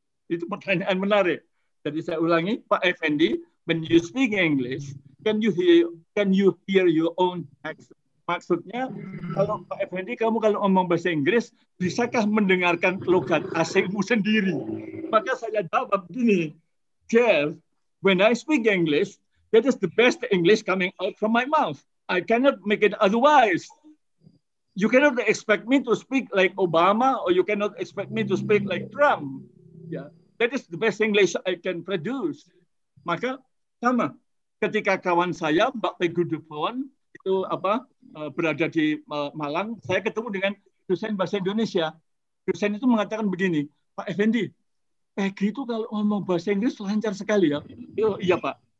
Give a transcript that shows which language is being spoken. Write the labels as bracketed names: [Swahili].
[Indonesian] Itu pertanyaan menarik. Jadi saya ulangi, Pak Effendi, [English] when you speak English, can you hear your own accent? [Indonesian] Maksudnya, kalau Pak Effendi, kamu kalau ngomong bahasa Inggris, bisakah mendengarkan logat asingmu sendiri? Maka saya jawab begini, Jeff, [English] when I speak English, that is the best English coming out from my mouth. I cannot make it otherwise. You cannot expect me to speak like Obama, or you cannot expect me to speak like Trump. Yeah, that is the best English I can produce. [Indonesian] Maka sama ketika kawan saya Mbak Peggy Dupont itu berada di Malang, saya ketemu dengan dosen bahasa Indonesia. Dosen itu mengatakan begini, Pak Effendi, Peggy itu kalau ngomong bahasa Inggris lancar sekali ya. Iya Pak.